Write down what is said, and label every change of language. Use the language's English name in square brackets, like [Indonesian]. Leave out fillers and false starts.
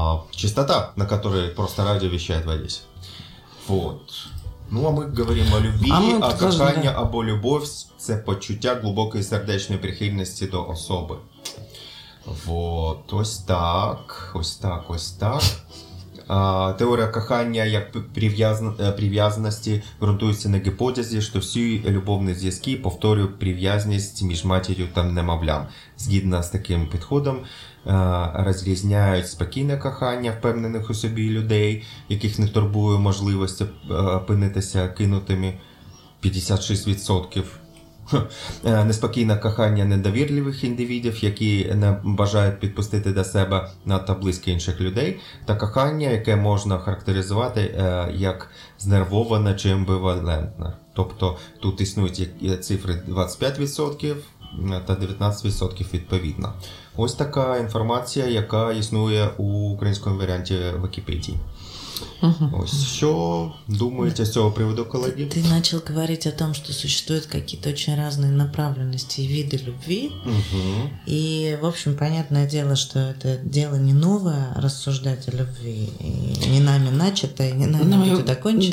[Russian] частота, на которой просто радио вещает в Одессе. Вот. Ну, а мы говорим о любви, [Ukrainian] о кохання, або любовь, це почуття глубокої сердечної прихильності до особи. Вот. Ось так. Ось так, ось так. Теорія кохання як прив'язаності ґрунтується на гіпотезі, що всі любовні зв'язки повторюють прив'язність між матір'ю та немовлям. Згідно з таким підходом, розрізняють спокійне кохання впевнених у собі людей, яких не турбує можливість опинитися кинутими 56%. Неспокійне кохання недовірливих індивідів, які не бажають підпустити до себе надто близько інших людей, та кохання, яке можна характеризувати як знервоване чи амбівалентне. Тобто тут існують цифри 25% та 19% відповідно. Ось така інформація, яка існує у українському варіанті Вікіпедії. [Russian] Все, думаете, с этого привода коллеги? Ты начал говорить о том, что существуют какие-то очень разные направленности и виды любви. И, в общем, понятное дело, что это дело не новое, рассуждать о любви. И не нами начатое, не нами будет окончено.